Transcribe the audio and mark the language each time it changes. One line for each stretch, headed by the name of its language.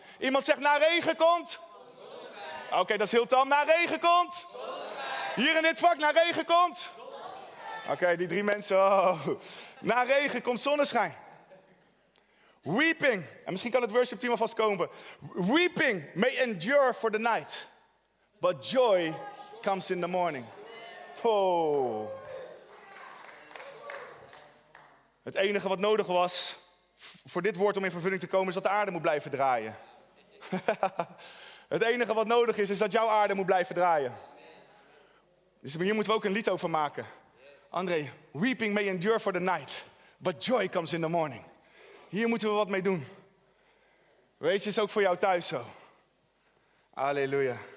Dutch: Iemand zegt, na regen komt... Oké, dat is heel tam. Naar regen komt. Hier in dit vak, naar regen komt. Oké, die drie mensen. Oh. Naar regen komt zonneschijn. Weeping. En misschien kan het worship team alvast komen.
English: Weeping may endure for the night. But joy comes in the morning. Oh.
Dutch: Het enige wat nodig was voor dit woord om in vervulling te komen, is dat de aarde moet blijven draaien. Het enige wat nodig is, is dat jouw aarde moet blijven draaien. Dus hier moeten we ook een lied over maken.
English: André, weeping may endure for the night, but joy comes in the morning.
Dutch: Hier moeten we wat mee doen. Weet je, is ook voor jou thuis zo. Halleluja.